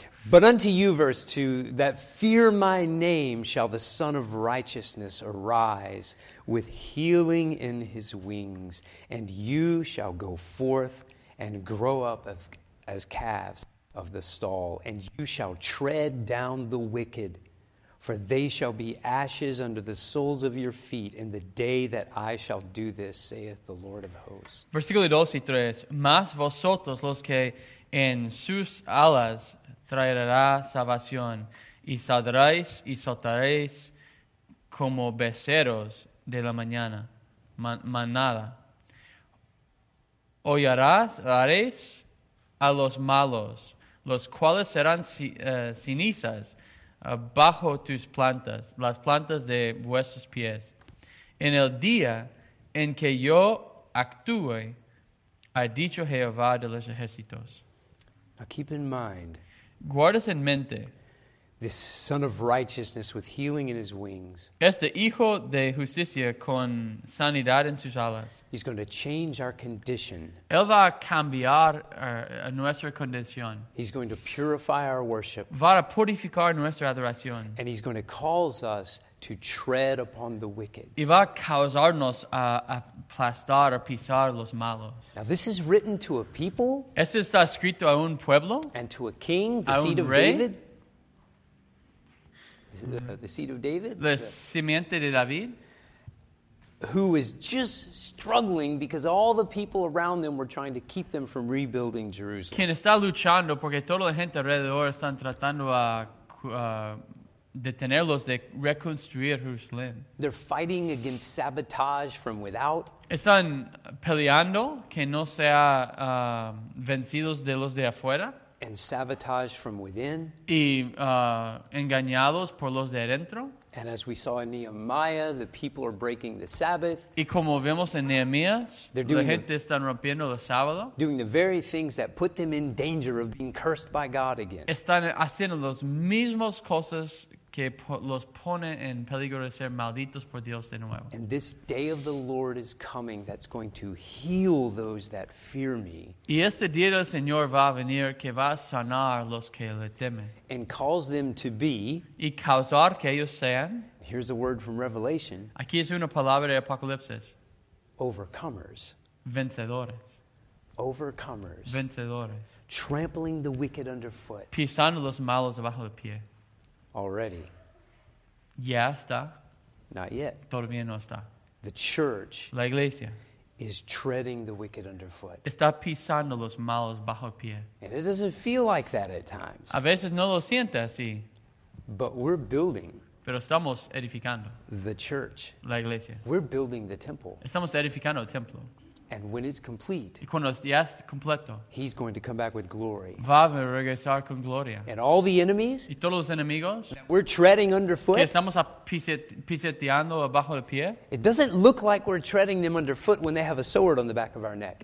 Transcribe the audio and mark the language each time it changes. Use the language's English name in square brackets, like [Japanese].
[English] But unto you, verse 2, that fear my name shall the Son of Righteousness arise with healing in his wings, and you shall go forth and grow up as calves of the stall, and you shall tread down the wicked, for they shall be ashes under the soles of your feet in the day that I shall do this, saith the Lord of hosts. [Spanish] Versículo 2 y 3. Mas vosotros los que en sus alas traerá salvación, y saldréis y saltaréis como beceros de la mañana, manada. Hollaréis a los malos, los cuales serán cenizas, bajo tus plantas, las plantas de vuestros pies. En el día en que yo actúe, ha dicho Jehová de los ejércitos. [English] Now keep in mind, [Spanish] guardas en mente, [English] this son of righteousness with healing in his wings, [Spanish] este hijo de justicia con sanidad en sus alas, [English] he's going to change our condition. [Spanish] Él va a cambiar nuestra condición. [English] He's going to purify our worship. [Spanish] Va a purificar nuestra adoración. [English] And he's going to cause us to tread upon the wicked. [Spanish] Y va a causarnos a aplastar, a pisar los malos. [English] Now this is written to a people. [Spanish] Esto está escrito a un pueblo. [English] And to a king, the seed of David. The seed of David. [Spanish] La simiente de David. [English] Who is just struggling because all the people around them were trying to keep them from rebuilding Jerusalem. [Spanish] Quien está luchando porque toda la gente alrededor están tratando a detenerlos de reconstruir Jerusalén. [English] They're fighting against sabotage from without. [Spanish] Están peleando que no sea vencidos de los de afuera. [English] And sabotage from within. [Spanish] Y engañados por los de adentro. [English] And as we saw in Nehemiah, the people are breaking the Sabbath. [Spanish] Y como vemos en Nehemías, la gente está rompiendo el sábado. [English] Doing the very things that put them in danger of being cursed by God again. [Spanish] Están haciendo las mismas cosas que los pone en peligro de ser malditos por Dios de nuevo. [English] And this day of the Lord is coming that's going to heal those that fear me. [Spanish] Y este día del Señor va a venir que va a sanar los que le temen. [English] And cause them to be. [Spanish] Y causar que ellos sean. [English] Here's a word from Revelation. [Spanish] Aquí es una palabra de Apocalipsis. [English] Overcomers. [Spanish] Vencedores. [English] Overcomers. [Spanish] Vencedores. [English] Trampling the wicked underfoot. [Spanish] Pisando los malos debajo del pie. [English] Already. [Spanish] Ya está. [English] Not yet. [Spanish] Todavía no está. [English] The church. [Spanish] La iglesia. [English] Is treading the wicked underfoot. [Spanish] Está pisando los malos bajo pie. [English] And it doesn't feel like that at times. [Spanish] A veces no lo siente así. [English] But we're building. [Spanish] Pero estamos edificando. [English] The church. [Spanish] La iglesia. [English] We're building the temple. [Spanish] Estamos edificando el templo. [English] And when it's complete, [Spanish] y cuando ya es completo, [English] he's going to come back with glory. [Spanish] Va a regresar con gloria. [English] And all the enemies, [Spanish] y todos los enemigos, [English] that we're treading underfoot, [Spanish] que estamos pisoteando abajo del pie, [English] it doesn't look like we're treading them underfoot when they have a sword on the back of our neck.